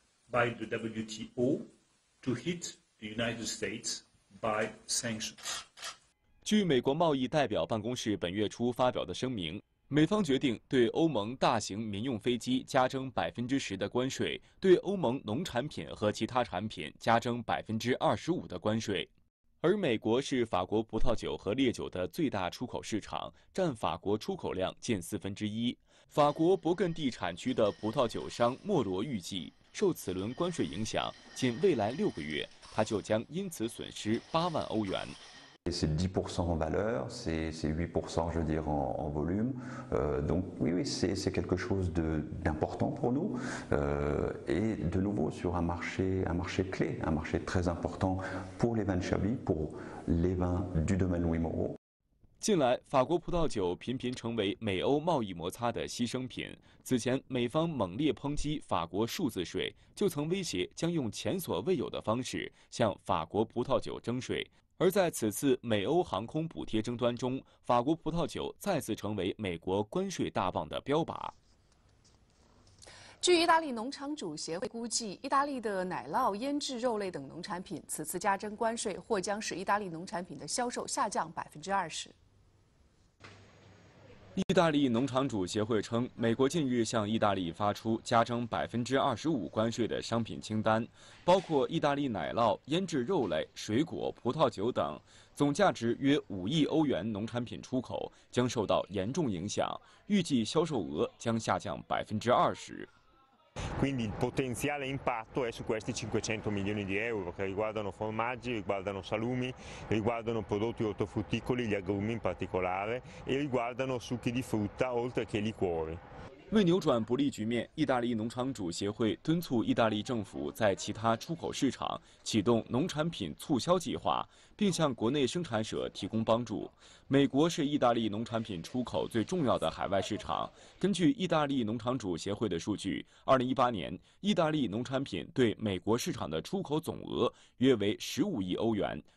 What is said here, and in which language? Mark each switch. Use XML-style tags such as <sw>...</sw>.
<en>By the WTO to hit the United States by sanctions.</en> <zh>据美国贸易代表办公室本月初发表的声明，美方决定对欧盟大型民用飞机加征10%的关税，对欧盟农产品和其他产品加征25%的关税。而美国是法国葡萄酒和烈酒的最大出口市场，占法国出口量近1/4。法国勃艮第产区的葡萄酒商莫罗预计，受此轮关税影响，仅未来6个月，他就将因此损失8万欧元。</zh> <fr>C'est 10% en valeur, c'est 8% je dire en volume. Donc oui, c'est quelque chose d'important pour nous. Et de nouveau sur un marché clé, un marché très important pour les vins de Chablis, pour les vins du domaine Louis Moreau.</fr> <zh>近来，法国葡萄酒频频成为美欧贸易摩擦的牺牲品。此前，美方猛烈抨击法国数字税，就曾威胁将用前所未有的方式向法国葡萄酒征税。而在此次美欧航空补贴争端中，法国葡萄酒再次成为美国关税大棒的标靶。据意大利农场主协会估计，意大利的奶酪、腌制肉类等农产品此次加征关税，或将使意大利农产品的销售下降20%。意大利农场主协会称，美国近日向意大利发出加征25%关税的商品清单，包括意大利奶酪、腌制肉类、水果、葡萄酒等，总价值约5亿欧元农产品出口将受到严重影响，预计销售额将下降20%。</zh> <it>Quindi il potenziale impatto è su questi 500 milioni di euro che riguardano formaggi, riguardano salumi, riguardano prodotti ortofrutticoli, gli agrumi in particolare, e riguardano succhi di frutta oltre che liquori.</it> <zh>为扭转不利局面，意大利农场主协会敦促意大利政府在其他出口市场启动农产品促销计划，并向国内生产者提供帮助。美国是意大利农产品出口最重要的海外市场。根据意大利农场主协会的数据，2018年，意大利农产品对美国市场的出口总额约为15亿欧元。</zh>